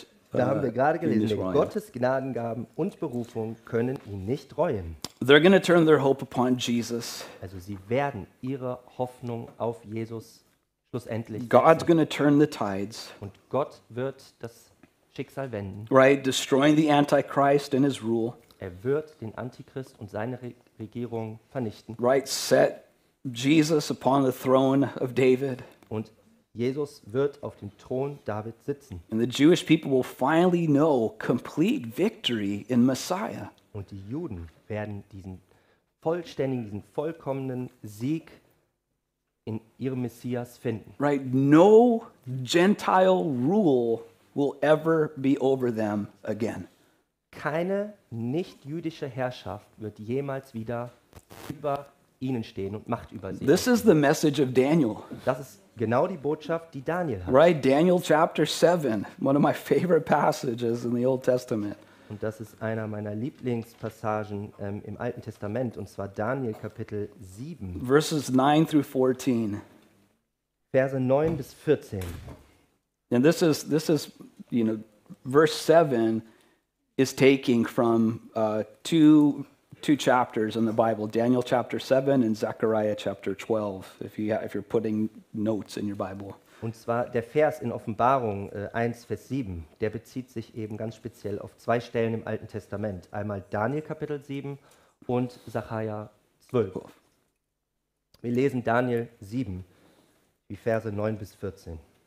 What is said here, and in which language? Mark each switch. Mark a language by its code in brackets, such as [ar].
[de] Da haben wir gerade gelesen, Gottes Gnadengaben und Berufung können ihn nicht reuen. [en] They're going to turn their hope upon Jesus. [de] Also sie werden ihre Hoffnung auf Jesus schlussendlich setzen. [en] God's going to turn the tides. [de] Und Gott wird das Schicksal wenden. [en] Right, destroying the Antichrist and his rule. [de] Er wird den Antichrist und seine Regierung vernichten. [en] Right, set Jesus upon the throne of David. [de] Und Jesus wird auf dem Thron David sitzen. [en] And the Jewish people will finally know complete victory in Messiah. [de] Und die Juden werden diesen vollständigen, diesen vollkommenen Sieg in ihrem Messias finden. [en] Right, no Gentile rule will ever be over them again. [de] Keine nicht-jüdische Herrschaft wird jemals wieder über ihnen stehen und Macht über sie. [en] This is the message of Daniel. [de] Das ist genau die Botschaft, die Daniel hat. [en] Right, Daniel chapter 7, one of my favorite passages in the Old Testament. [de] Und das ist einer meiner Lieblingspassagen im Alten Testament, und zwar Daniel Kapitel 7. [en] Verses 9 through 14. [de] Verse 9 bis 14. [en] And this is, you know, verse 7 is taking from two chapters in the Bible, Daniel chapter 7 and Zechariah chapter 12, if you're putting notes in your Bible. [de] Und zwar der Vers in Offenbarung 1, Vers 7, der bezieht sich eben ganz speziell auf zwei Stellen im Alten Testament. Einmal Daniel Kapitel 7 und Zechariah 12. Wir lesen Daniel 7, die Verse 9 bis 14.